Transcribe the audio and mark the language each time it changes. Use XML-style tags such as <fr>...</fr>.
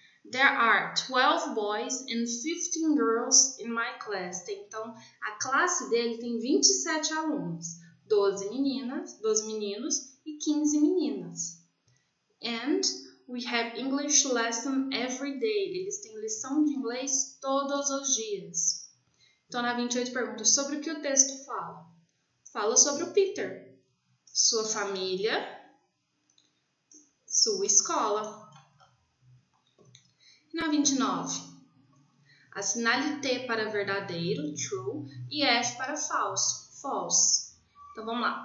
<en>There are 12 boys and 15 girls in my class.</en> <pt>Então, a classe dele tem 27 alunos. 12 meninos e 15 meninas.</pt> <en>And we have English lesson every day.</en> <pt>Eles têm lição de inglês todos os dias. Então, na 28 pergunta, sobre o que o texto fala? Fala sobre o Peter, sua família, sua escola. Na 29, assinale T para verdadeiro, true, e F para falso, false. Então, vamos lá.</pt>